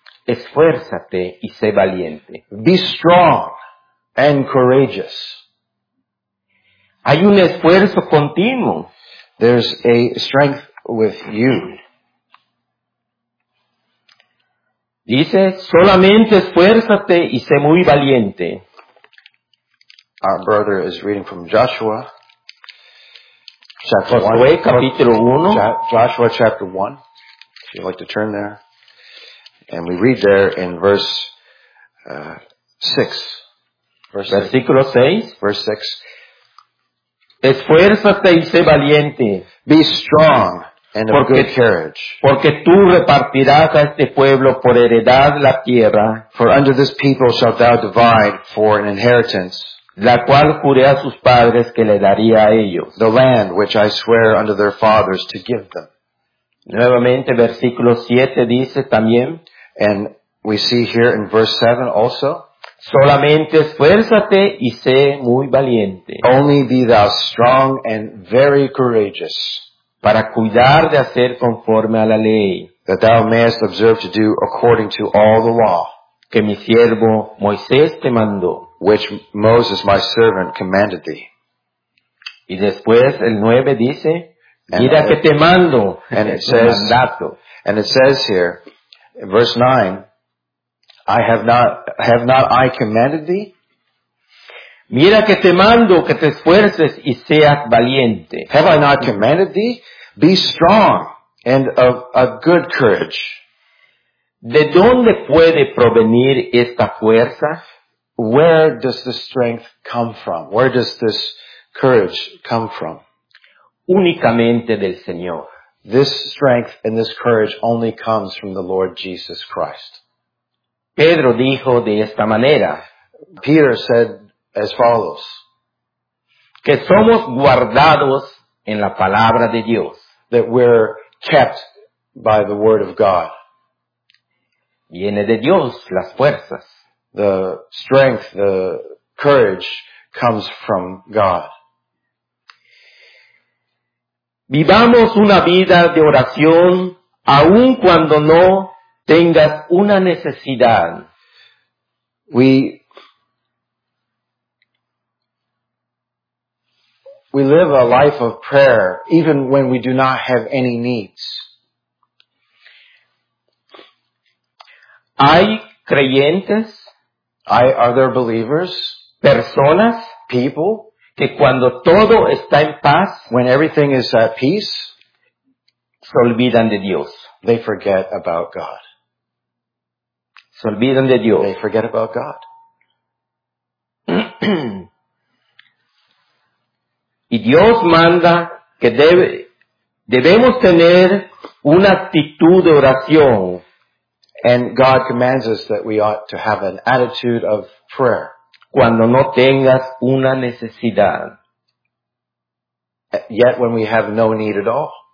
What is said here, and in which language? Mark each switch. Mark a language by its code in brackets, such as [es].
[es] esfuérzate y sé valiente. [en] Be strong and courageous. [es] Hay un esfuerzo continuo. [en] There's a strength with you. [es] Dice, solamente esfuérzate y sé muy valiente. [en] Our brother is reading from Joshua. Chapter 1. [es] Capítulo 1. [en] Joshua chapter 1. If you'd like to turn there. And we read there in verse 6. [es] Versículo 6. [en] Verse 6. [es] Esfuérzate y sé valiente. [en] Be strong and of good courage. [es] Porque tú repartirás a este pueblo por heredad la tierra. [en] For under this people shalt thou divide for an inheritance. [es] La cual juré a sus padres que le daría a ellos. [en] The land which I swear unto their fathers to give them. [es] Nuevamente, versículo 7 dice también. [en] And we see here in verse 7 also. [es] Solamente esfuérzate y sé muy valiente. [en] Only be thou strong and very courageous. [es] Para cuidar de hacer conforme a la ley. [en] That thou mayest observe to do according to all the law. [es] Que mi siervo Moisés te mandó. [en] Which Moses, my servant, commanded thee. [es] Y después el 9 dice, mira que te mando. [en] And it says, and it says here, in verse 9, have not I commanded thee? [es] Mira que te mando, que te esfuerces y seas valiente. [en] Have I not commanded thee? Be strong and of a good courage. [es] ¿De dónde puede provenir esta fuerza? [en] Where does the strength come from? Where does this courage come from? [es] Únicamente del Señor. [en] This strength and this courage only comes from the Lord Jesus Christ. [es] Pedro dijo de esta manera. [en] Peter said as follows. [es] Que somos guardados en la palabra de Dios. [en] That we're kept by the word of God. [es] Viene de Dios las fuerzas. [en] The strength, the courage comes from God. [es] Vivamos una vida de oración aun cuando no tengas una necesidad. [en] We live a life of prayer even when we do not have any needs. [es] Hay creyentes, [en] are there believers, [es] personas, [en] people, [es] que cuando todo está en paz, [en] when everything is at peace, [es] se olvidan de Dios. [en] They forget about God. [es] Se olvidan de Dios. [en] They forget about God. [es] Y Dios manda que debemos tener una actitud de oración. [en] And God commands us that we ought to have an attitude of prayer. [es] Cuando no tengas una necesidad. [en] Yet when we have no need at all.